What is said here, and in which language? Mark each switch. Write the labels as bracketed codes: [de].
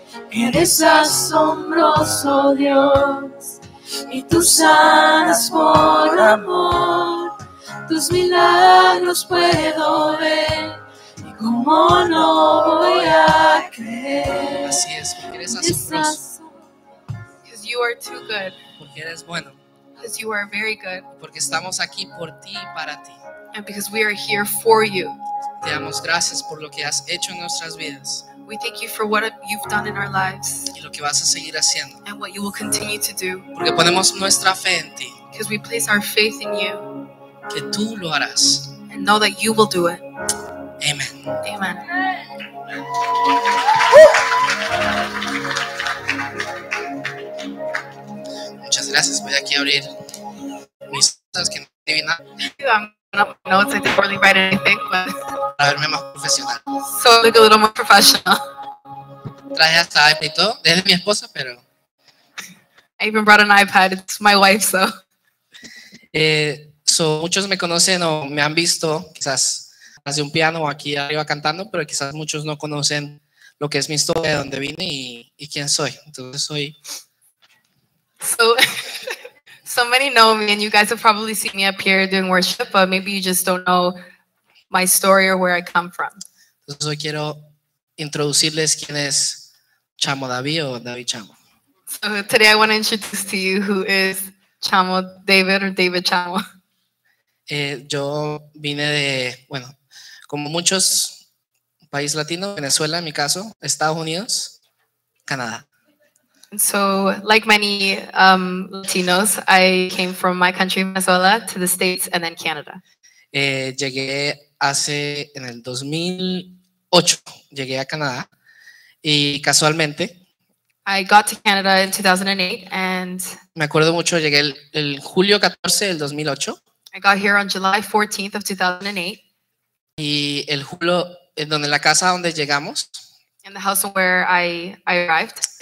[es] Eres asombroso, Dios. Y tú sanas por amor, tus milagros puedo ver, y cómo no voy a creer. Así es, porque eres asombroso. [en] Because you are too good. [es] Porque eres bueno. [en] Because you are very good. [es] Porque estamos aquí por ti y para ti. [en] And because we are here for you. [es] Te damos gracias por lo que has hecho en nuestras vidas. [en] We thank you for what you've done in our lives. [es] Y lo que vas a seguir haciendo. [en] And what you will continue to do. [es] Porque ponemos nuestra fe en ti. [en] Because we place our faith in you. [es] Que tú lo harás. [en] And know that you will do it. [es] Amen. [en] Amen. [es] Muchas gracias. Voy aquí a abrir mis notas que no adivinan. [en] Notes, I didn't really write anything, but [es] para verme más profesional. [en] So I look a little more professional. [es] Traje hasta iPad y todo. Es de mi esposa, pero [en] I even brought an iPad. It's my wife, so. [es] So muchos me conocen o me han visto quizás hacia un piano o aquí arriba cantando, pero quizás muchos no conocen lo que es mi historia, de dónde vine y quién soy. Entonces soy. [en] So. So many know me, and you guys have probably seen me up here doing worship, but maybe you just don't know my story or where I come from. [es] Entonces hoy quiero introducirles quién es Chamo David o David Chamo. [en] So today I want to introduce to you who is Chamo David or David Chamo. [es] Yo vine de, bueno, como muchos, país latino, Venezuela en mi caso, Estados Unidos, Canadá. [en] So, like many Latinos, I came from my country, Venezuela, to the States, and then Canada. [es] Llegué hace, en el 2008, llegué a Canadá, y casualmente. [en] I got to Canada in 2008, and. [es] Me acuerdo mucho, llegué el julio 14 del 2008. [en] I got here on July 14th of 2008. [es] Y el julio, en donde la casa donde llegamos. [en] In the house where I arrived.